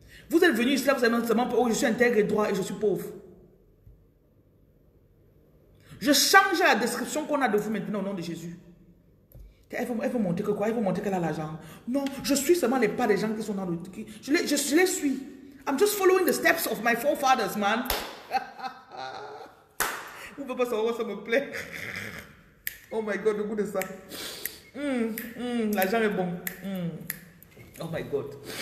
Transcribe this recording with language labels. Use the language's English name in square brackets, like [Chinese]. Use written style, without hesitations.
[French] Vous êtes venu ici, là, vous avez seulement pour, oh, je suis intègre et droit et je suis pauvre. Je change la description qu'on a de vous maintenant au nom de Jésus. Elle veut montrer que quoi? Elle veut montrer qu'elle a l'argent. Non, je suis seulement les pas des gens qui sont dans le... Je les suis. [English] I'm just following the steps of my forefathers, man. [French] Vous ne pouvez pas savoir, ça me plaît. [English] Oh my God, [French] le goût de ça. La jambe est bon. [English] Oh my God.